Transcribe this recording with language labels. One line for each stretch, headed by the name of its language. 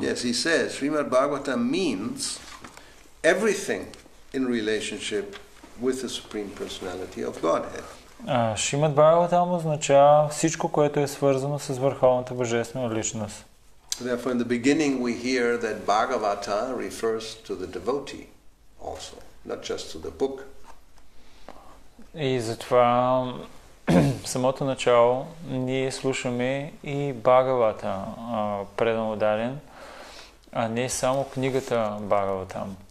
English: Yes, he says Шримад Бхагаватам means everything in relationship with the Supreme Personality of Godhead.
Bulgarian: Шримад Бхагаватам означава всичко, което е свързано с Върховната Божествена Личност.
English: Therefore, in the beginning, we hear that Bhagavata refers to the devotee also, not just to the book.
Bulgarian: И затова самото начало ние слушаме и Бхагавата предамодарен, а не само книгата Бхагаватам.